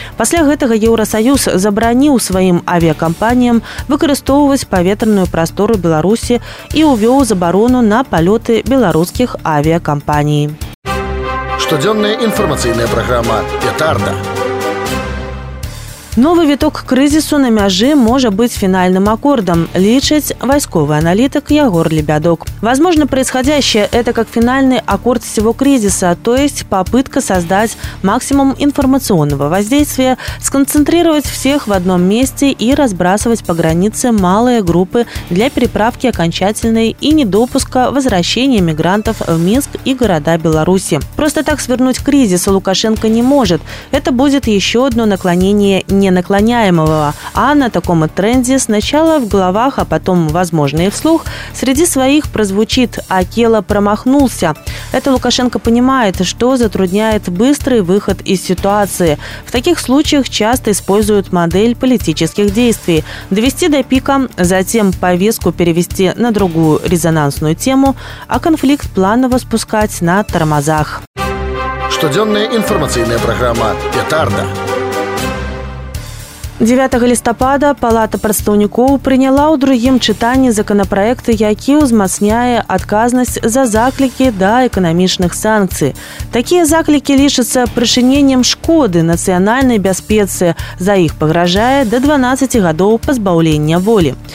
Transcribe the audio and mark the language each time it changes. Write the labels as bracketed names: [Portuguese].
[Belarusian] Пасля гэтага Еўрасаюз забараніў сваім авіякампаніям выкарыстоўваць паветраную прастору Беларусі і ўвёў забарону на палёты беларускіх авіякампаній. Штодзённая інфармацыйная праграма «Петарда». Новы віток крызісу на мяжы можа быць фінальным акордам, лічыць вайсковы аналітык Ягор Лебядок. [Russian] Возможно, происходящее – это как финальный аккорд всего кризиса, то есть попытка создать максимум информационного воздействия, сконцентрировать всех в одном месте и разбрасывать по границе малые группы для переправки окончательной и недопуска возвращения мигрантов в Минск и города Беларуси. Просто так свернуть кризис Лукашенко не может. Это будет еще одно наклонение ненаклоняемого. А на таком тренде сначала в головах, а потом, возможно, и вслух, среди своих прозвучит «Акела промахнулся». Это Лукашенко понимает, что затрудняет быстрый выход из ситуации. В таких случаях часто используют модель политических действий. Довести до пика, затем повестку перевести на другую резонансную тему, а конфликт планово спускать на тормозах. [Belarusian] Штодзённая информационная программа «Петарда». 9 лістапада Палата прадстаўнікоў прыняла ў другім чытанні законапраект, які ўзмацняе адказнасць за заклікі да эканамічных санкцый. Такія заклікі лічацца прычыненнем шкоды нацыянальнай бяспецы, за іх пагражае да 12 гадоў пазбаўлення волі.